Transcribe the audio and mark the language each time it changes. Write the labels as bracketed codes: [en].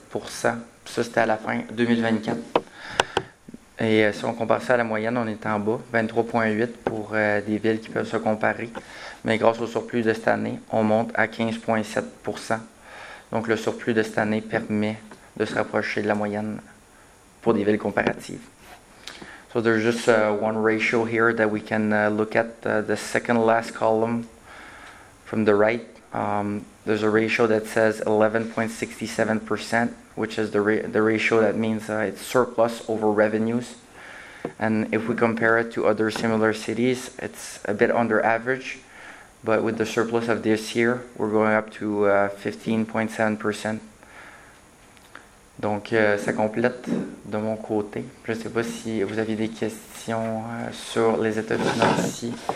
[fr] Ça, c'était à la fin 2024. Et si on compare ça à la moyenne, on est en bas, 23,8% pour des villes qui peuvent se comparer. Mais grâce au surplus de cette année, on monte à 15,7%. Donc, le surplus de cette année permet de se rapprocher de la moyenne pour des villes comparatives. [en] So, there's just one ratio here that we can look at. The second last column from the right, there's a ratio that says 11.67%, which is the ratio that means it's surplus over revenues. And if we compare it to other similar cities, it's a bit under average. But with the surplus of this year, we're going up to 15.7%. [fr] Donc, ça complète de mon côté. Je ne sais pas si vous avez des questions sur les états financiers.